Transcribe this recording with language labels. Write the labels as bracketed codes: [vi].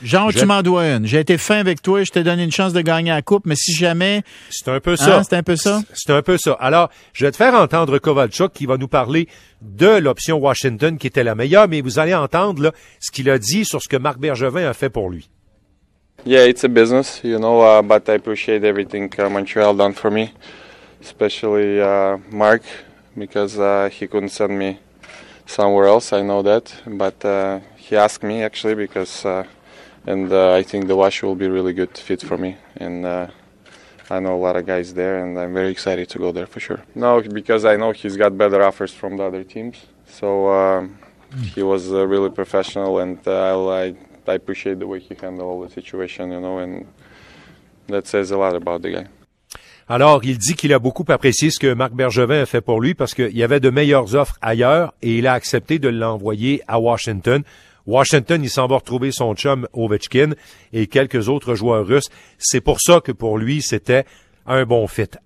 [fr] Genre, tu m'en dois une. J'ai été fin avec toi et je t'ai donné une chance de gagner la coupe, mais si jamais... C'est un peu ça. Hein, c'est un peu ça? C'est un peu ça. Alors, je vais te faire entendre Kovalchuk qui va nous parler de l'option Washington qui était la meilleure, mais vous allez entendre là, ce qu'il a dit sur ce que Marc Bergevin a fait pour lui. [en] Yeah, it's a business, you know, but I appreciate everything Montreal done for me. Especially Mark, because he couldn't send me somewhere else, I know that. But he asked me, actually, because I think the Wash will be a really good fit for me. And I know a lot of guys there, and I'm very excited to go there for sure. No, because I know he's got better offers from the other teams. So he was really professional, and I appreciate the way he handled all the situation, you know, and that says a lot about the guy. [fr] Alors, il dit qu'il a beaucoup apprécié ce que Marc Bergevin a fait pour lui parce qu'il y avait de meilleures offres ailleurs et il a accepté de l'envoyer à Washington. Washington, il s'en va retrouver son chum Ovechkin et quelques autres joueurs russes. C'est pour ça que pour lui, c'était un bon fit.